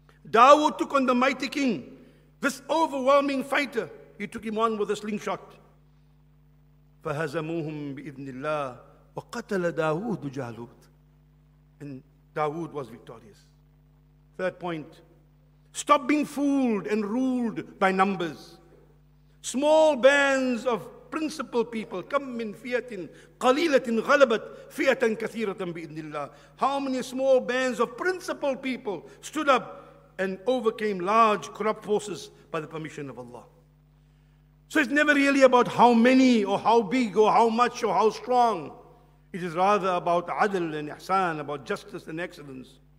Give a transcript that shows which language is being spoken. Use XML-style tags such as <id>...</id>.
<en>Dawood took on the mighty king, this overwhelming fighter. He took him on with a slingshot.</en> <ar>فَهَزَمُوهُمْ بِإِذْنِ اللَّهِ وَقَتَلَ دَاوُودُ جَالُوتِ.</ar> <en>And Dawood was victorious. Third point, stop being fooled and ruled by numbers. Small bands of principled people,</en> <ar>كَمْ مِنْ فِيَةٍ قَلِيلَةٍ غَلَبَتْ فِيَةً كَثِيرَةً بِإِذْنِ اللَّهِ.</ar> <en>How many small bands of principled people stood up and overcame large corrupt forces by the permission of Allah. So it's never really about how many or how big or how much or how strong. It is rather about adl and ihsan, about justice and excellence.</en>